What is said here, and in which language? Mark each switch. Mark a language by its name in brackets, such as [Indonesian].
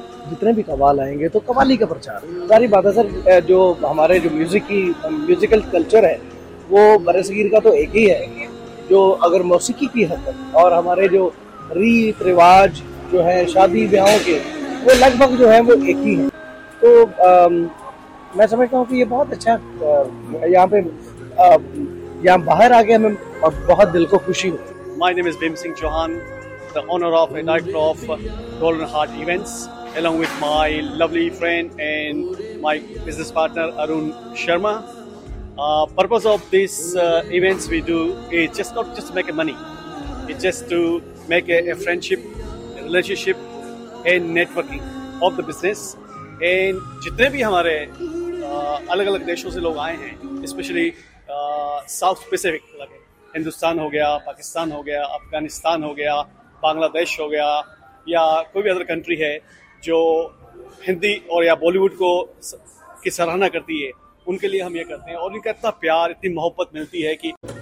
[Urdu] جتنے بھی قوال آئیں گے تو قوالی کا پرچار، ساری بات ہے سر۔ جو ہمارے جو میوزیکل کلچر ہے وہ برصغیر کا تو ایک ہی ہے، جو اگر موسیقی کی حد تک اور ہمارے جو ریت رواج جو ہیں شادی بیاہوں کے، وہ لگ بھگ جو ہیں وہ ایک ہی ہیں۔ تو میں سمجھتا ہوں کہ یہ بہت اچھا، یہاں پہ یہاں باہر آ گیا ہمیں بہت دل کو خوشی ہوتی۔ [English] My name is Bhim Singh Chauhan, the owner of a night of Golden Heart Events, along with my lovely friend and my business partner Arun Sharma. Purpose of this events we do is just not just to make money, it's just to make a friendship, a relationship and networking of the business. [Urdu] And jitne bhi hamare الگ الگ دیشوں سے لوگ آئے ہیں، especially south Pacific, الگ ہندوستان ہو گیا، پاکستان ہو گیا، افغانستان ہو گیا، بنگلہ دیش ہو گیا، یا کوئی بھی ادر کنٹری ہے جو ہندی اور یا بالی ووڈ کو کی سراہنا کرتی ہے، ان کے لیے ہم یہ کرتے ہیں، اور ان کا اتنا پیار، اتنی محبت ملتی ہے کہ